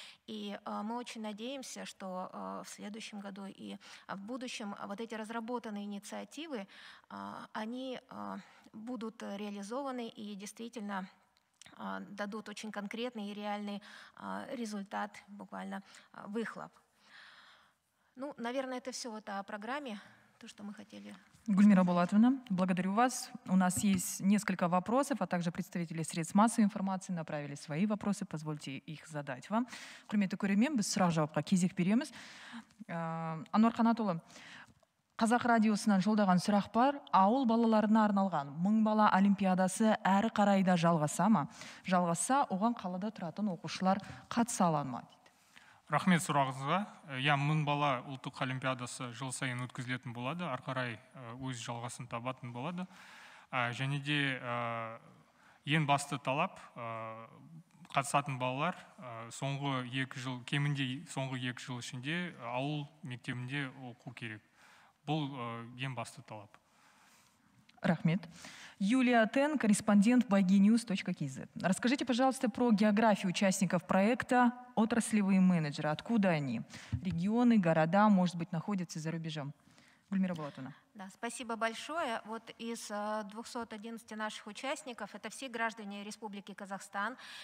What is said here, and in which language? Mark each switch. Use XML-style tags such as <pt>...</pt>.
<ru>И мы очень надеемся, что в следующем году и в будущем вот эти разработанные инициативы они будут реализованы и действительно дадут очень конкретный и реальный результат, буквально выхлоп. Ну, наверное, это все вот о программе, то, что мы хотели. Гульмира Булатовна, благодарю вас. У нас есть несколько вопросов, а также представители средств массовой информации направили свои вопросы. Позвольте их задать вам.</ru> <kk>Құрметті көрермен, біз сұрақ жауапқа кезек береміз. Ануар Қанатұлы, Қазақ радиосынан жолдаған сұрақ бар, ауыл балаларына арналған мың бала олимпиадасы әрі қарайда жалғаса ма? Жалғаса, оған қалада тұратын оқушылар қатыса алан ма? Рахмет сұрағыңызға. Я мың бала ұлттық олимпиадасы жыл сайын өткізілетін болады, әрі қарай өз жалғасын табатын болады. Және де ең басты талап қатысатын балалар соңғы 2 жыл, кемінде соңғы 2 жыл ішінде ауыл мектебінде оқу керек. Бұл ең басты талап. Рахмет.</kk> <ru>Юлия Тен, корреспондент bygnews.kz. Расскажите, пожалуйста, про географию участников проекта «Отраслевые менеджеры». Откуда они? Регионы, города, может быть, находятся за рубежом? Гульмира Булатовна. Да, спасибо большое. Вот из 211 наших участников, это все граждане Республики Казахстан.</ru>